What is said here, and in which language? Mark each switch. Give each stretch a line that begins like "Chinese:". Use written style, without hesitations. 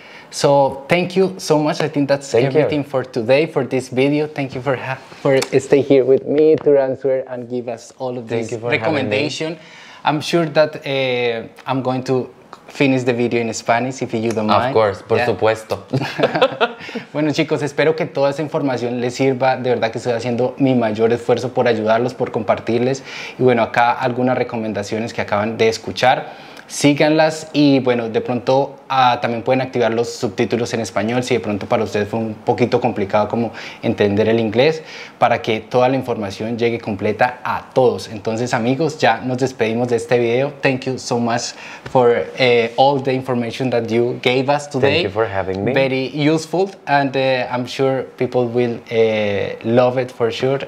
English: So thank you so much. I think that's everything for today, for this video. Thank you for staying here with me to answer and give us all of this recommendation. I'm sure that I'm going to finish the video in Spanish, if you don't mind. Of course,
Spanish: por supuesto. Bueno, chicos, espero que toda esa información les sirva. De verdad que estoy haciendo mi mayor esfuerzo por ayudarlos, por compartirles. Y bueno, acá algunas recomendaciones que acaban de escuchar. Síganlas y bueno, de pronto también pueden activar los subtítulos en español si de pronto para ustedes fue un poquito complicado como entender el inglés, para que toda la información llegue completa a todos. Entonces, amigos, ya nos despedimos de este video.
English: Thank you so much for all the information that you gave us today. Thank you for having me. Very useful, and I'm sure people will love it for sure.